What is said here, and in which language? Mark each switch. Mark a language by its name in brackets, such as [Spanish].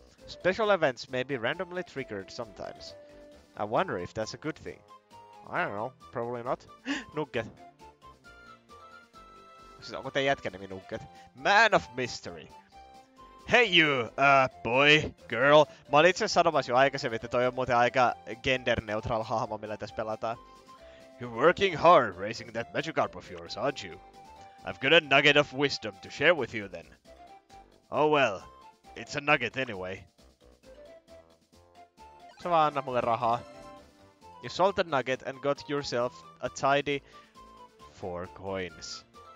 [English] Special events may be randomly triggered sometimes. I wonder if that's a good thing. I don't know. Probably not. Nugget. [Finnish] Siis onko teidän jätkä nimi Nugget? [English] Man of Mystery. Hey you, boy, girl. [Finnish] Mä olin itse sanomassa jo aikaisemmin, että toi on muuten aika gender-neutral hahmo, millä tässä pelataan. [English] You're working hard raising that Magikarp of yours, aren't you? I've got a nugget of wisdom to share with you then. Oh well, it's a nugget anyway. [Finnish] Sä vaan anna mulle rahaa. [English] You sold the nugget and got yourself a tidy 4 coins.